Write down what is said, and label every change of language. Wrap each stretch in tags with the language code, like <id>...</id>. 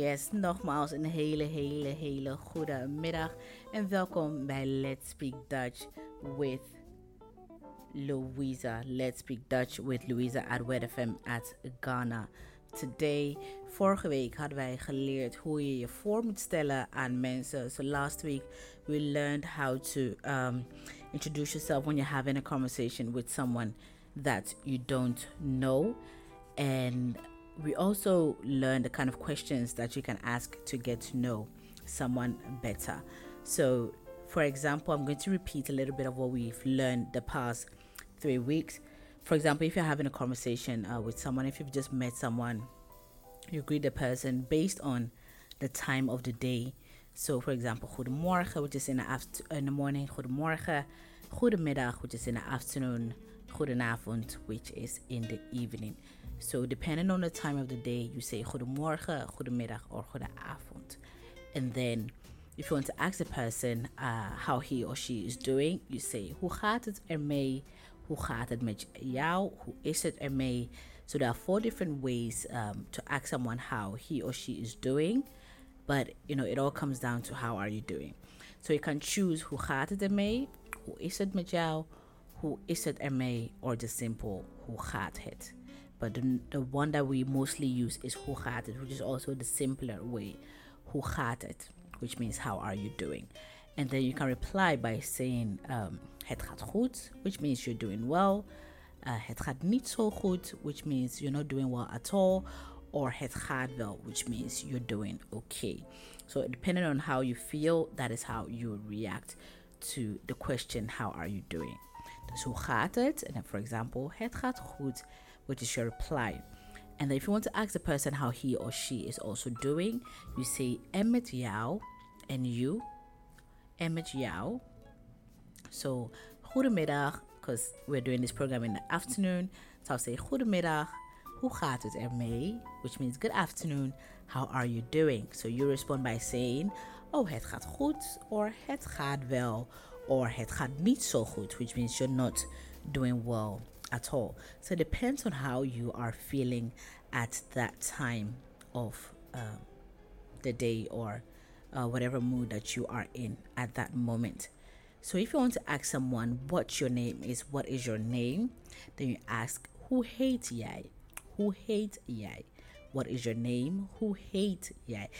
<nl>Nogmaals een hele, hele, hele goede middag en welkom bij Let's Speak Dutch with Louisa.</nl> <en>Let's Speak Dutch with Louisa at Word FM at Ghana Today.</en> <nl>Vorige week hadden wij geleerd hoe je je voor moet stellen aan mensen.</nl> <en>So last week we learned how to introduce yourself when you're having a conversation with someone that you don't know. And we also learned the kind of questions that you can ask to get to know someone better. So, for example, I'm going to repeat a little bit of what we've learned the past 3 weeks. For example, if you're having a conversation with someone, if you've just met someone, you greet the person based on the time of the day. So, for example, goedemorgen, which is in the morning,</en> <nl>goedemorgen, goedemiddag,</nl> <en>which is in the afternoon, goedenavond, which is in the evening. So depending on the time of the day, you say</en> <nl>goedemorgen, goedemiddag,</nl> <en>or goedenavond. And then if you want to ask the person how he or she is doing, you say</en> <nl>hoe gaat het ermee,</nl> <en>hoe gaat het met jou, hoe is het ermee. So there are 4 different ways to ask someone how he or she is doing, but you know, it all comes down to how are you doing. So you can choose</en> <nl>hoe gaat het ermee,</nl> <en>hoe is het met jou, hoe is het ermee, or just simple</en> <nl>hoe gaat het.</nl> <en>But the one that we mostly use is</en> <nl>hoe gaat het,</nl> <en>which is also the simpler way, hoe gaat het, which means how are you doing. And then you can reply by saying</en> <nl>het gaat goed,</nl> <en>which means you're doing well,</en> <nl>het gaat niet zo goed,</nl> <en>which means you're not doing well at all, or</en> <nl>het gaat wel,</nl> <en>which means you're doing okay. So depending on how you feel, that is how you react to the question how are you doing.</en> <nl>Dus hoe gaat het,</nl> <en>and then for example</en> <nl>het gaat goed,</nl> <en>which is your reply. And then if you want to ask the person how he or she is also doing, you say</en> <nl>en met jou,</nl> <en>and you, en met jou. So goedemiddag, because we're doing this program in the afternoon. So I'll say</en> <nl>goedemiddag, hoe gaat het ermee?</nl> <en>Which means good afternoon, how are you doing? So you respond by saying, oh,</en> <nl>het gaat goed,</nl> <en>or</en> <nl>het gaat wel,</nl> <en>or</en> <nl>het gaat niet zo goed,</nl> <en>which means you're not doing well at all. So it depends on how you are feeling at that time of the day or whatever mood that you are in at that moment. So if you want to ask someone what is your name, then you ask</en> <nl>hoe heet jij,</nl> <en>what is your name, hoe heet jij.</en>